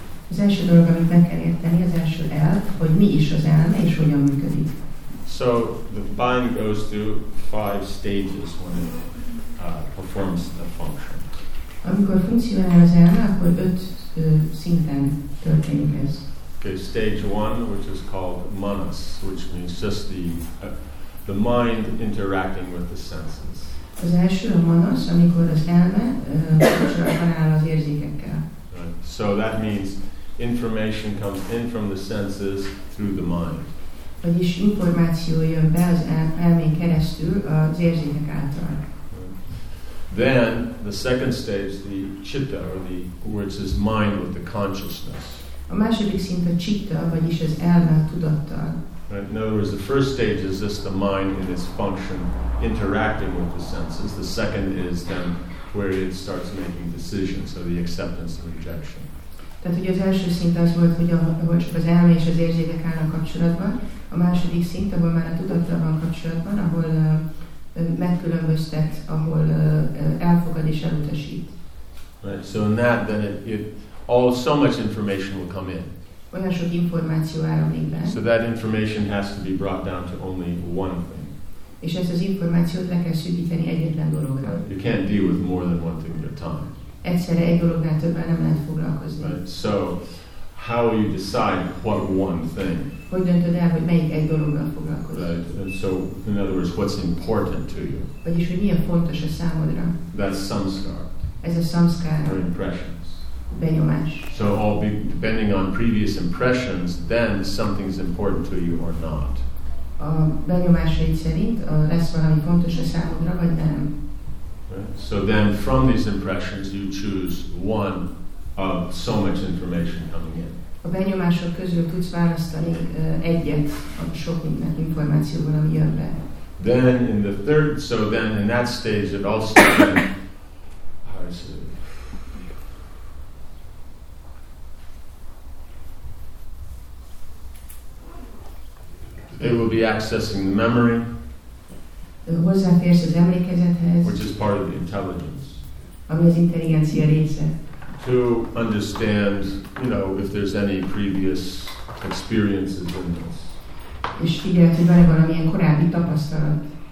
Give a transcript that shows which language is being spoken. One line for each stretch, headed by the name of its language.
English: So, the mind goes through five stages when it performs the function. Okay, stage one, which is called manas, which means just the mind interacting with the senses.
Hungarian: Az első a manas, amikor az elme kapcsolatban áll az érzékekkel.
English: So that means information comes in from the senses through the mind.
Hungarian: Vagyis információ jön be az elmén keresztül az érzékek által.
English: Then the second stage, the citta, or the words is mind with the consciousness.
Hungarian: A második szint a citta, vagyis az elme tudattal.
English: Right? In other words, the first stage is just the mind in its function interacting with the senses. The second is then where it starts making decisions, so the acceptance and rejection.
Hungarian: Tehát ugye az első szint az volt, hogy az elme és az érzékek állnak kapcsolatban, a második szint, ahol már a tudattal van kapcsolatban, ahol megkülönböztet, ahol elfogad és elutasít.
English: Right. So in that, then it all so much information will come in.
Hungarian: Olyan sok információ áramlik be.
English: So that information has to be brought down to only one thing.
Hungarian: És ezt az információt le kell szűkíteni egyetlen dologra.
English: You can't deal with more than one thing at a time.
Hungarian: Egyszerre egy dolognál többen nem lehet foglalkozni.
English: Right. So, how you decide what one thing?
Hungarian: Hogy döntöd el, hogy melyik egy dologgal foglalkozik?
English: Right. And so, in other words, what's important to you?
Hungarian: Vagyis, hogy milyen fontos a számodra?
English: That's samskara.
Hungarian: Ez a samskara.
English: Or impressions.
Hungarian: Benyomás.
English: So, all depending on previous impressions, then something's important to you or not.
Hungarian: A benyomásaid szerint lesz valami fontos a számodra, vagy nem?
English: So then from these impressions you choose one of so much information coming in.
Hungarian: A benyomások közül tudsz választani egyet a sok minden információból, ami jön be.
English: Then in the third, so then in that stage it also then, how is it? It will be accessing the memory.
Hungarian: Hozzáférsz az emlékezethez,
English: which is part of the intelligence.
Hungarian: Ami az intelligencia része.
English: To understand, you know, if there's any previous experiences in this.
Hungarian: És figyelj, hogy van-e valamilyen korábbi tapasztalat.